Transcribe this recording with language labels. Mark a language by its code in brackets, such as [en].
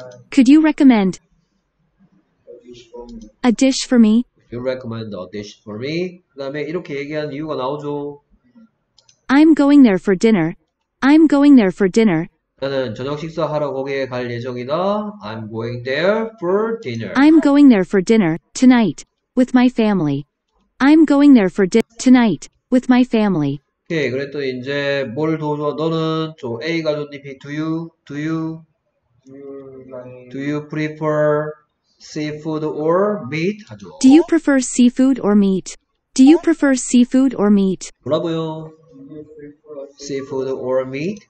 [en] Could you recommend a dish for me? You recommend a dish for me? [ko] 그 다음에 이렇게 얘기한 이유가 나오죠. [en] I'm going there for dinner. I'm going there for dinner. [ko] 나는 저녁 식사하러 거기에 갈 예정이다. [en] I'm going there for dinner. I'm going there for dinner tonight with my family. I'm going there for dinner tonight with my family. [ko] 오케이. 그랬더니 이제 뭘 도와줘? 너는 저 A 가족님이 [en] do you prefer seafood or meat? [ko] 하죠. [en] Do you prefer seafood or meat? Do you prefer seafood or meat? [ko] 뭐라고요? [en] Seafood or meat?